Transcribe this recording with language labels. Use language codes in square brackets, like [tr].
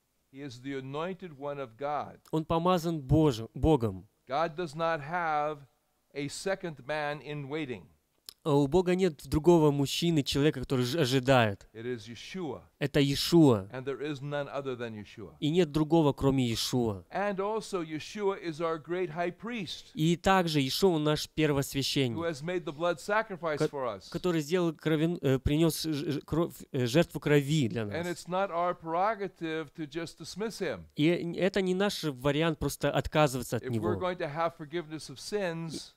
[en] He is the anointed one of God. [ru] Он помазан Богом. [en] God does not have a second man in waiting. [ru] У Бога нет другого мужчины, человека, который ожидает. [en] It is Yeshua. [ru] Это Иешуа. [en] And there is none other than Yeshua. [ru] И нет другого, кроме Иешуа. [en] And also Yeshua is our great high priest. [ru] И также Иешуа наш первосвященник. [en] Who has made the blood sacrifice for us. [ru] Который сделал принес жертву крови для нас. [en] And it's not our prerogative to just dismiss him. [ru] И это не наш вариант просто отказываться от него. [en] If we're going to have forgiveness of sins,